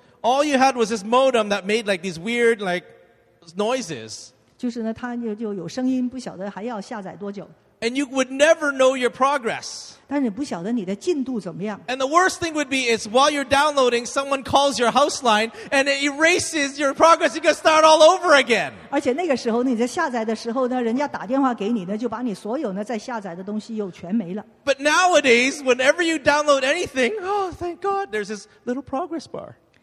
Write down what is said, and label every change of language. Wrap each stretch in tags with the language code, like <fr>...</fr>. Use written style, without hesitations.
<en>All you had was this modem that made like these weird like noises.</en> <zh>就是呢，它就有声音，不晓得还要下载多久。</zh> <en>And you would never know your progress.</en> <zh>但你不晓得你的进度怎么样。</zh> <en>And the worst thing would be is while you're downloading, someone calls your house line and it erases your progress. You can start all over again.</en> <zh>而且那个时候你在下载的时候呢，人家打电话给你呢，就把你所有呢在下载的东西又全没了。</zh> <en>But nowadays, whenever you download anything, oh, thank God, there's this little progress bar.</en>